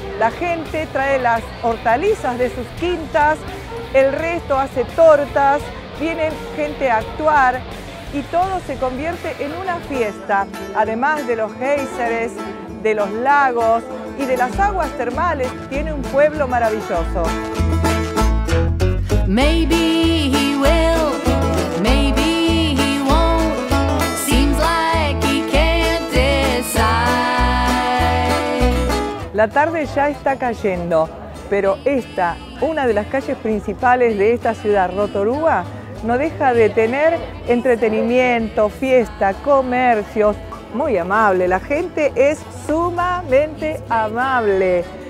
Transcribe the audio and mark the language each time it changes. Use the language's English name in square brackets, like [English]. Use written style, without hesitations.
[Spanish] La gente trae las hortalizas de sus quintas, el resto hace tortas, vienen gente a actuar y todo se convierte en una fiesta. Además de los géiseres, de los lagos y de las aguas termales, tiene un pueblo maravilloso. [English] Maybe he will, maybe he won't. Seems like he can't decide. [Spanish] La tarde ya está cayendo, pero esta, una de las calles principales de esta ciudad, Rotorua, no deja de tener entretenimiento, fiesta, comercios. Muy amable, la gente es sumamente amable.